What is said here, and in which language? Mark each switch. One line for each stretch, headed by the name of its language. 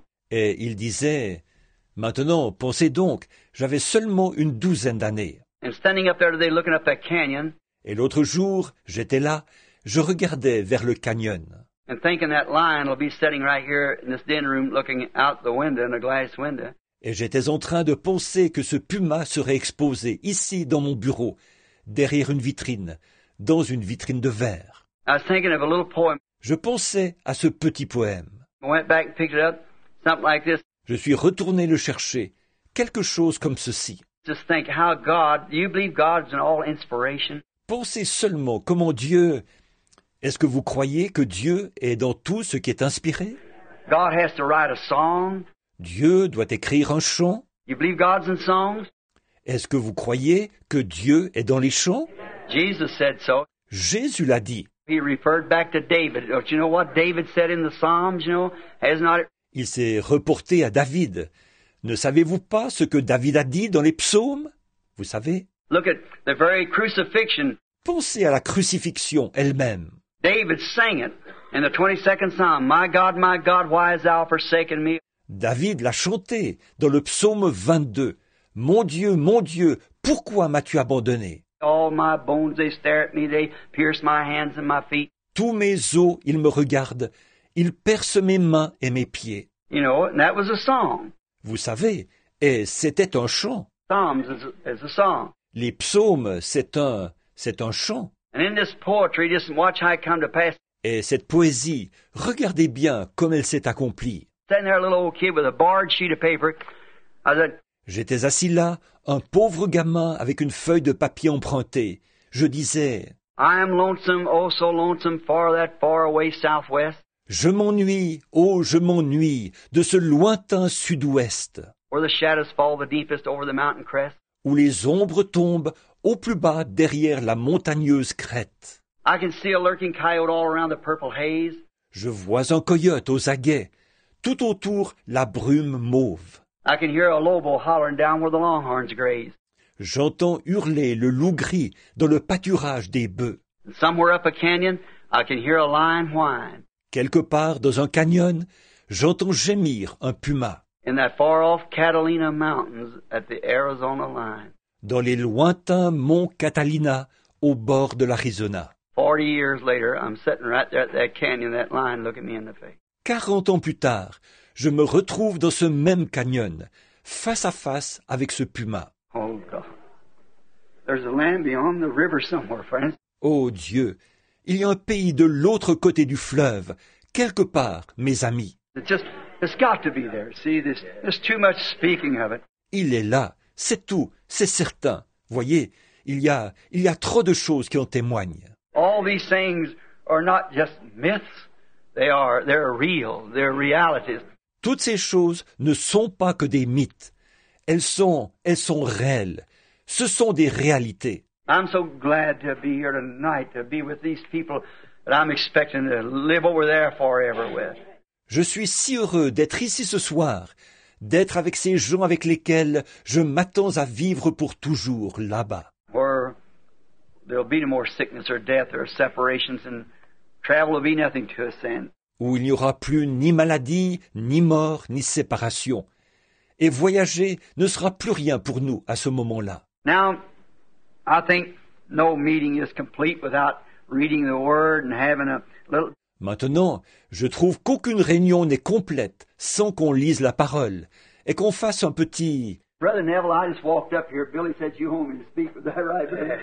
French: Et il disait, maintenant, pensez donc, j'avais seulement une douzaine d'années.
English: And standing up there today, looking up that canyon,
French: et l'autre jour, j'étais là, je regardais vers le canyon.
English: And thinking that lion will be sitting right here in this den room looking out the window in a glass window.
French: Et j'étais en train de penser que ce puma serait exposé ici dans mon bureau, derrière une vitrine, dans une vitrine de verre.
English: I was thinking of a little poem.
French: Je pensais à ce petit poème.
English: I went back and picked it up, something like this.
French: Je suis retourné le chercher, quelque chose comme ceci.
English: Just think how God, do you believe God is an all inspiration?
French: Pensez seulement comment Dieu, est-ce que vous croyez que Dieu est dans tout ce qui est inspiré?
English: God has to write a song.
French: Dieu doit écrire un chant.
English: You believe God's in songs?
French: Est-ce que vous croyez que Dieu est dans les chants?
English: Jesus said so.
French: Jésus l'a dit.
English: He referred back to David. Don't you know what David said in the Psalms, you know? Has not
French: Il s'est reporté à David. Ne savez-vous pas ce que David a dit dans les psaumes? Vous savez?
English: Look at the very crucifixion.
French: Pensez à la crucifixion elle-même.
English: David sang it in the 22nd Psalm. My God, why hast thou forsaken me?
French: David l'a chanté dans le psaume 22. Mon Dieu, pourquoi m'as-tu abandonné?
English: All my bones, they stare at me, they pierce my hands and my feet.
French: Tous mes os, ils me regardent. Ils percent mes mains et mes pieds.
English: You know, and that was a song.
French: Vous savez, et c'était un chant.
English: Psalms is a song.
French: Les psaumes, c'est un chant.
English: And in this poetry, just watch how it come to pass.
French: Et cette poésie, regardez bien comme elle s'est accomplie.
English: Sitting there, a little old kid with a barred sheet of paper. I said,
French: J'étais assis là, un pauvre gamin avec une feuille de papier empruntée. Je disais,
English: I am lonesome, oh so lonesome, for that far away southwest.
French: Je m'ennuie, oh je m'ennuie, de ce lointain sud-ouest.
English: Where the shadows fall the deepest over the mountain crest.
French: Où les ombres tombent au plus bas derrière la montagneuse crête.
English: I can see a lurking coyote all around the purple haze.
French: Je vois un coyote aux aguets. Tout autour, la brume mauve.
English: I can hear a lobo hollering down where the longhorns graze.
French: J'entends hurler le loup gris dans le pâturage des bœufs.
English: Somewhere up a canyon, I can hear a lion whine.
French: Quelque part dans un canyon, j'entends gémir un puma.
English: In that far off Catalina Mountains at the Arizona line.
French: Dans les lointains monts Catalina, au bord de l'Arizona.
English: 40 years later, I'm sitting right there at that canyon, that lion looking me in the face.
French: 40 ans plus tard, je me retrouve dans ce même canyon, face à face avec ce puma.
English: Oh God. There's a land beyond the river somewhere, friends.
French: Oh Dieu, il y a un pays de l'autre côté du fleuve, quelque part, mes amis.
English: It's got to be there. See, there's too much speaking of it.
French: Il est là, c'est tout, c'est certain. Voyez, il y a trop de choses qui en témoignent.
English: All these things are not just myths. They're real. They're realities.
French: Toutes ces choses ne sont pas que des mythes. Elles sont réelles. Ce sont des réalités.
English: I'm so glad to be here tonight, to be with these people that I'm expecting to live over there forever with.
French: Je suis si heureux d'être ici ce soir, d'être avec ces gens avec lesquels je m'attends à vivre pour toujours là-bas.
English: Where there'll be no more sickness or death or separations, and travel will be nothing to us then.
French: Où il n'y aura plus ni maladie, ni mort, ni séparation. Et voyager ne sera plus rien pour nous à ce moment-là.
English: Now, I think no meeting is complete without reading the Word and having a little...
French: Maintenant, je trouve qu'aucune réunion n'est complète sans qu'on lise la parole et qu'on fasse un petit...
English: Brother Neville, I just walked up here. Billy said you want me to speak with that right there.